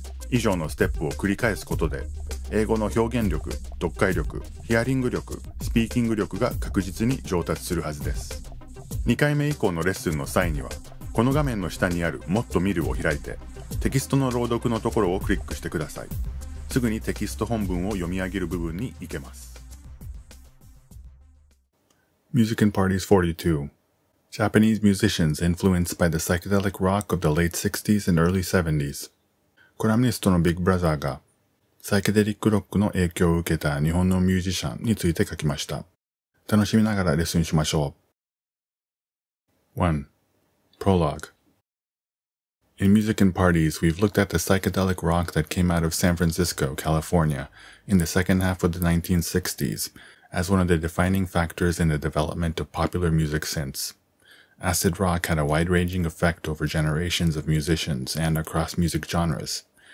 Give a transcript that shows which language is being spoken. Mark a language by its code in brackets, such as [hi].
[ja] 以上のステップを繰り返すことで英語の表現力、読解力、ヒアリング力、スピーキング力が確実に上達するはずです。 2回目以降のレッスンの際にはこの画面の下にあるもっと見るを開いてテキストの朗読のところをクリックしてください。すぐにテキスト本文を読み上げる部分に行けます。 [en] Music and Parties 42. Japanese musicians influenced by the psychedelic rock of the late 60s and early 70s. [ja] コラムニストのビッグブラザーが、サイケデリックロックの影響を受けた日本のミュージシャンについて書きました。楽しみながらレッスンしましょう。 [en] 1. Prologue. In Music and Parties, we've looked at the psychedelic rock that came out of San Francisco, California, in the second half of the 1960s, as one of the defining factors in the development of popular music since. Acid rock had a wide-ranging effect over generations of musicians and across music genres.